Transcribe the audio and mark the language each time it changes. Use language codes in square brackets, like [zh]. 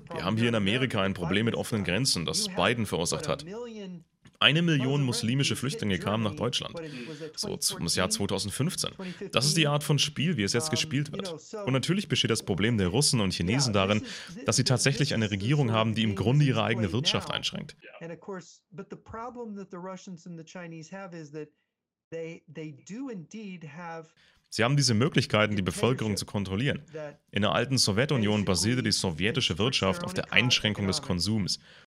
[de] Wir haben hier in Amerika ein Problem mit offenen Grenzen, das Biden verursacht hat. 1 Million muslimische Flüchtlinge kamen nach Deutschland, so ums Jahr 2015. Das ist die Art von Spiel, wie es jetzt gespielt wird. Und natürlich besteht das Problem der Russen und Chinesen darin, dass sie tatsächlich eine Regierung haben, die im Grunde ihre eigene Wirtschaft einschränkt. [en] But the problem that the Russians and the Chinese have is that they do indeed have. [de] Sie haben diese Möglichkeiten, die Bevölkerung zu kontrollieren. In der alten Sowjetunion basierte die sowjetische Wirtschaft auf der Einschränkung des Konsums.